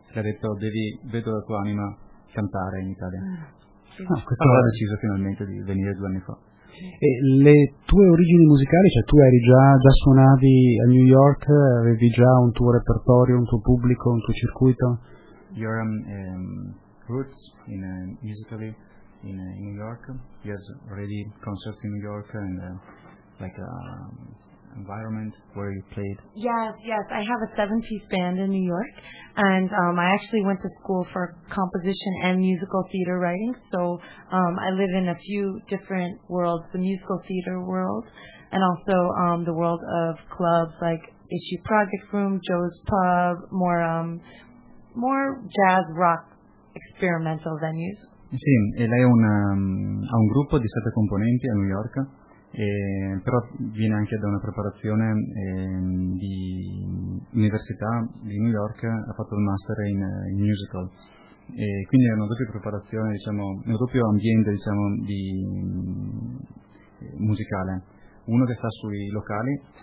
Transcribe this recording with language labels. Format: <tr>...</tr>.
<it>Le ha detto, vedo la tua anima cantare in Italia. Questo allora ha deciso finalmente di venire 2 anni fa. E le tue origini musicali, cioè tu eri già suonavi a New York, avevi già un tuo repertorio, un tuo pubblico, un tuo circuito?</it> <en>Your roots in musically in New York, you have already concerts in New York and like environment where you played? Yes, I have a 7-piece band in New York, and I actually went to school for composition and musical theater writing, so I live in a few different worlds, the musical theater world, and also the world of clubs like Issue Project Room, Joe's Pub, more jazz rock experimental venues.</en> <it>Sì, e lei ha un gruppo di 7 componenti a New York. Però viene anche da una preparazione di università di New York, ha fatto il master in musical, e quindi è una doppia preparazione, diciamo, un doppio ambiente, diciamo, di musicale, uno che sta sui locali</it>